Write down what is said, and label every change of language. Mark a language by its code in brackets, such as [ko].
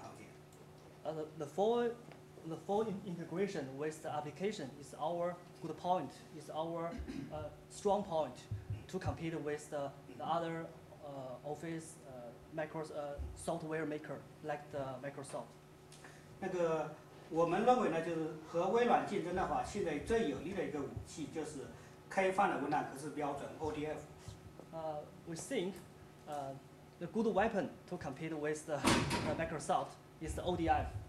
[en] The full integration with the application is our good point. It's our strong point to compete with the other Office software maker like the Microsoft. [zh] 那个我们认为呢，就是和微软竞争的话，现在最有力的一个武器就是开放的文档格式标准 ODF. [en] We think the good weapon to compete with the Microsoft is the ODF.